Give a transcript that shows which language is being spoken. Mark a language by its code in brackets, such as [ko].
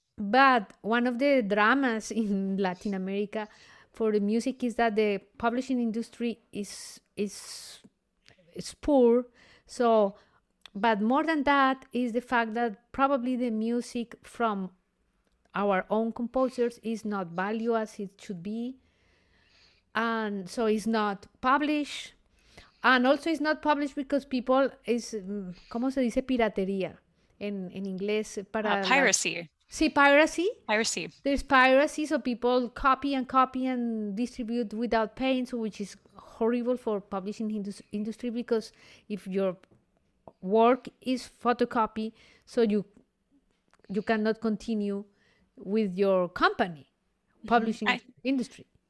[en] But one of the dramas in Latin America for the music is that the publishing industry is poor. So, but more than that is the fact that probably the music from our own composers is not valued as it should be. And so it's not published. And also it's not published because people is, [es] ¿cómo se dice piratería en inglés? [en] Para piracy. See, piracy? Piracy. There's piracy, so people copy and distribute without paying, so which is horrible for publishing industry because if your work is photocopy, so you cannot continue with your company, publishing industry.